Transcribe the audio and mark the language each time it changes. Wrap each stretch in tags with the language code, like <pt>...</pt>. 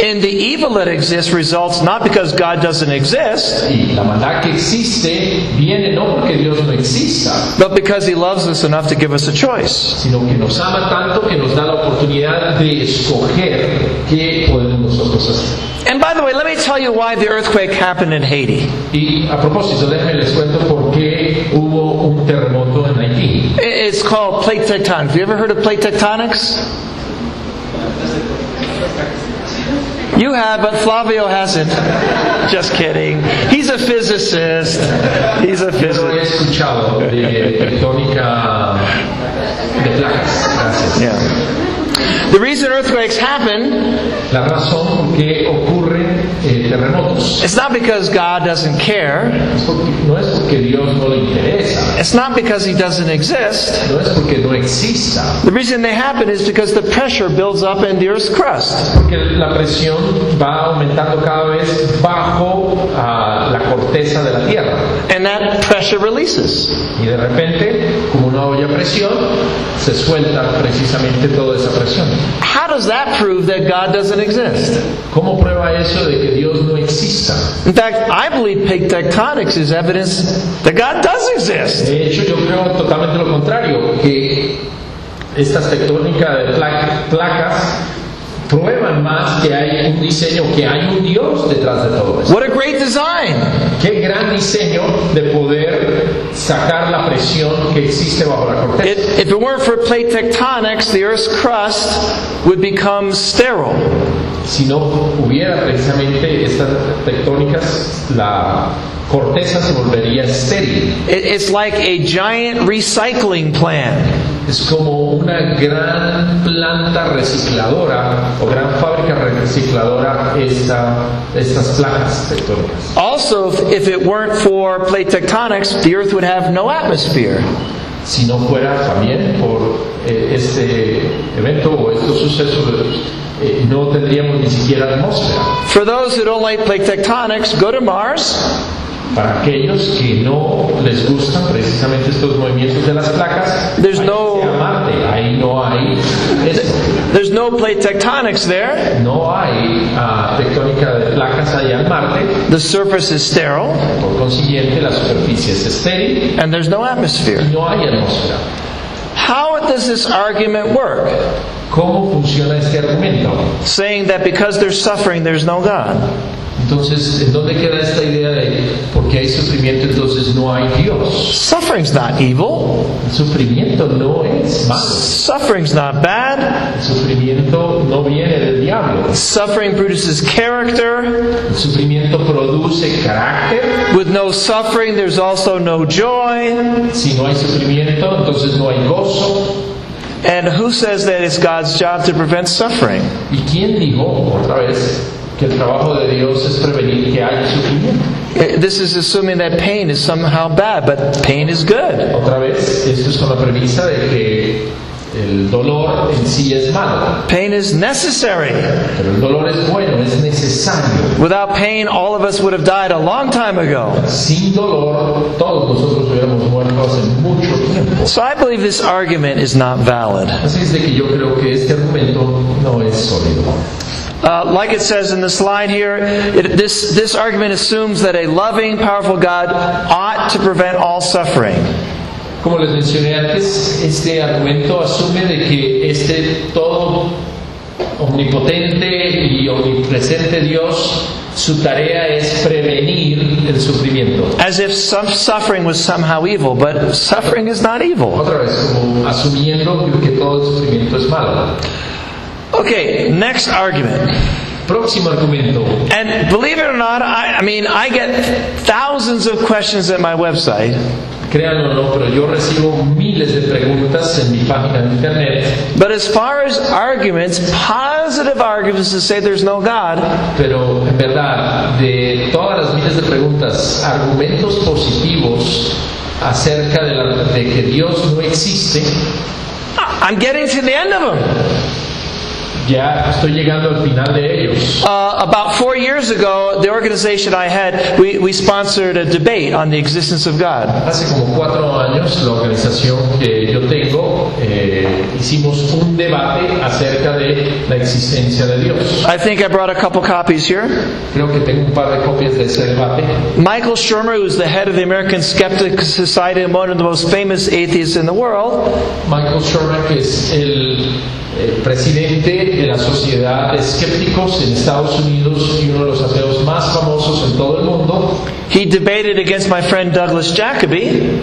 <en>And the evil that exists results not because God doesn't exist.</en> <es>Y la maldad que existe viene no porque Dios no exista,</es> <en>but because he loves us enough to give us a choice.</en> <es>Sino que nos ama tanto que nos da la oportunidad de escoger qué podemos nosotros hacer.</es> <en>And by the way, let me tell you why the earthquake happened in Haiti.</en> <es>Y a propósito, déjenme les cuento por qué hubo un terremoto en Haití.</es> <en>It's called plate tectonics. Have you ever heard of plate tectonics? You have, but Flavio hasn't. Just kidding. He's a physicist. He's a physicist.</en> <es>Yo he escuchado de tectónica de placas. Gracias.</es> <en>Yeah. The reason earthquakes happen,</en> <es>la razón por qué ocurren terremotos,</es> <en>it's not because God doesn't care,</en> <es>no es porque Dios no le interesa,</es> <en>it's not because he doesn't exist,</en> <es>no es porque no exista.</es> <en>The reason they happen is because the pressure builds up in the earth's crust,</en> <es>porque la presión va aumentando cada vez bajo la corteza de la tierra,</es> <en>and that pressure releases,</en> <es>y de repente como una olla a presión se suelta precisamente toda esa presión.</es> <en>How does that prove that God doesn't exist?</en> <es>¿Cómo prueba eso de que Dios no exista?</es> <en>In fact, I believe plate tectonics is evidence that God does exist.</en> <es>De hecho, yo creo totalmente lo contrario, que estas tectónicas de placas prueban más que hay un diseño, que hay un Dios detrás de todo esto.</es> <en>What a great design!</en> <es>Qué gran diseño de poder sacar la presión que existe bajo la corteza.</es> <en>If it weren't for plate tectonics, the Earth's crust would become sterile.</en> <es>Si no hubiera precisamente estas tectónicas, la corteza se volvería estéril.</es> <en>It's like a giant recycling plant.</en> <es>Es como una gran planta recicladora o gran fábrica recicladora estas placas tectónicas.</es> <en>Also, if it weren't for plate tectonics, the Earth would have no atmosphere.</en> <es>Si no fuera también por este evento o estos sucesos, no tendríamos ni siquiera atmósfera.</es> <en>For those who don't like plate tectonics, go to Mars.</en> <es>Para aquellos que no les gustan precisamente estos movimientos de las placas,</es> <en>there's no</en> <es>Marte, ahí no hay eso.</es> <en>There's no plate tectonics there.</en> <es>No hay tectónica de placas allá en Marte.</es> <en>The surface is sterile.</en> <es>Por consiguiente, la superficie es estéril.</es> <en>And there's no atmosphere.</en> <es>No hay atmósfera.</es> <en>How does this argument work?</en> <es>¿Cómo funciona este argumento?</es> <en>Saying that because there's suffering, there's no God.</en> <es>Entonces, ¿en dónde queda esta idea de porque hay sufrimiento, entonces no hay Dios?</es> <en>Suffering's not evil.</en> <es>El sufrimiento no es malo.</es> <en>Suffering's not bad.</en> <es>El sufrimiento no viene del diablo.</es> <en>Suffering produces character.</en> <es>El sufrimiento produce carácter.</es> <en>With no suffering, there's also no joy.</en> <es>Si no hay sufrimiento, entonces no hay gozo.</es> <en>And who says that it's God's job to prevent suffering?</en> <es>¿Y quién dijo otra vez que el trabajo de Dios es prevenir que haya sufrimiento?</es> <en>This is assuming that pain is somehow bad, but pain is good.</en> <es>Otra vez, esto es con la premisa de que el dolor en sí es malo.</es> <en>Pain is necessary.</en> <es>Pero el dolor es bueno, es necesario.</es> <en>Without pain, all of us would have died a long time ago.</en> <es>Sin dolor, todos nosotros hubiéramos muerto hace mucho tiempo.</es> <en>So I believe this argument is not valid.</en> <es>Así es de que yo creo que este argumento no es sólido.</es> <en>Like it says in the slide here, this argument assumes that a loving, powerful God ought to prevent all suffering.</en> <es>Como les mencioné antes, este argumento asume de que este todo omnipotente y omnipresente Dios, su tarea es prevenir el sufrimiento.</es> <en>As if some suffering was somehow evil, but suffering is not evil.</en> <es>Otra vez, como asumiendo que todo sufrimiento es malo.</es> <en>Okay, next argument.</en> <es>Próximo argumento.</es> <en>And believe it or not, I get thousands of questions at my website.</en> <es>Créanlo o no, pero yo recibo miles de preguntas en mi página de internet.</es> <en>But as far as arguments, positive arguments to say there's no God.</en> <es>Pero en verdad, de todas las miles de preguntas, argumentos positivos acerca de que Dios no existe,</es> <en>I'm getting to the end of them.</en> <es>Ya estoy llegando al final de ellos.</es> <en>About 4 years ago, the organization I had, we sponsored a debate on the existence of God.</en> <es>Hace como 4 años, la organización que yo tengo, hicimos un debate acerca de la existencia de Dios.</es> <en>I think I brought a couple copies here.</en> <es>Creo que tengo un par de copias de ese debate.</es> <en>Michael Shermer, who is the head of the American Skeptic Society and one of the most famous atheists in the world.</en> <es>Michael Shermer, que es el presidente de la Sociedad de Escépticos en Estados Unidos y uno de los ateos más famosos en todo el mundo.</es> <en>He debated against my friend Douglas Jacoby.</en>